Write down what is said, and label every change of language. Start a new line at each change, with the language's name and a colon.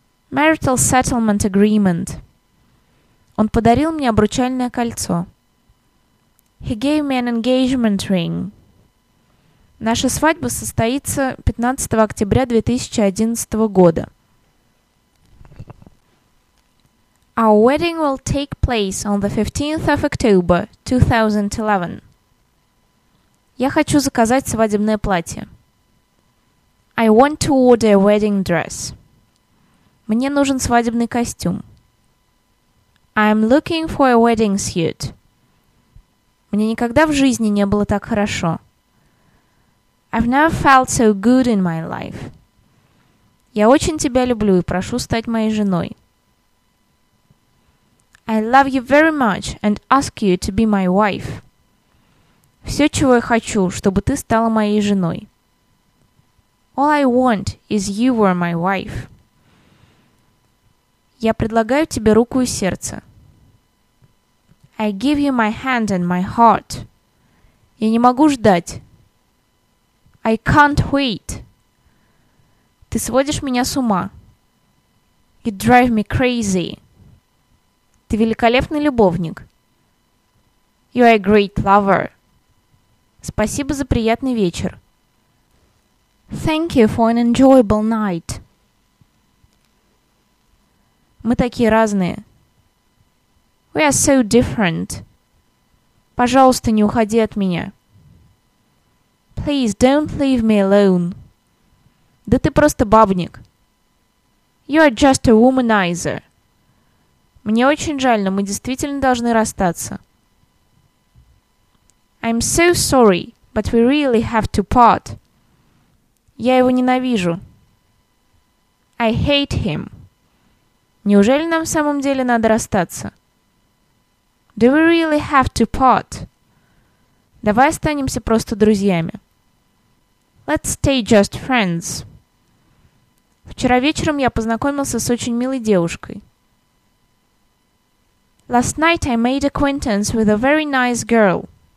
English: Marital settlement agreement.
Russian: Он подарил мне обручальное кольцо.
English: He gave me an engagement ring.
Russian: Наша свадьба состоится 15 октября 2011 года.
English: Our wedding will take place on the 15th of October 2011.
Russian: Я хочу заказать свадебное платье.
English: I want to order a wedding dress.
Russian: Мне нужен свадебный костюм.
English: I'm looking for a wedding suit.
Russian: Мне никогда в жизни не было так хорошо.
English: I've never felt so good in my life.
Russian: Я очень тебя люблю и прошу стать моей женой.
English: I love you very much and ask you to be my wife.
Russian: Все, чего я хочу, чтобы ты стала моей женой.
English: All I want is you were my wife.
Russian: Я предлагаю тебе руку и сердце.
English: I give you my hand and my heart.
Russian: Я не могу ждать.
English: I can't wait.
Russian: Ты сводишь меня с ума.
English: You drive me crazy.
Russian: Ты великолепный любовник.
English: You are a great lover.
Russian: Спасибо за приятный вечер.
English: Thank you for an enjoyable night.
Russian: Мы такие разные.
English: We are so different.
Russian: Пожалуйста, не уходи от меня.
English: Please don't leave me alone.
Russian: Да ты просто бабник.
English: You are just a womanizer.
Russian: Мне очень жаль, но мы действительно должны расстаться.
English: I'm so sorry, but we really have to part.
Russian: Я его ненавижу.
English: I hate him.
Russian: Неужели нам в самом деле надо расстаться?
English: Do we really have to part?
Russian: Давай останемся просто друзьями.
English: Let's stay just friends.
Russian: Вчера вечером я познакомился с очень милой девушкой.
English: Last night I made acquaintance with a very nice girl.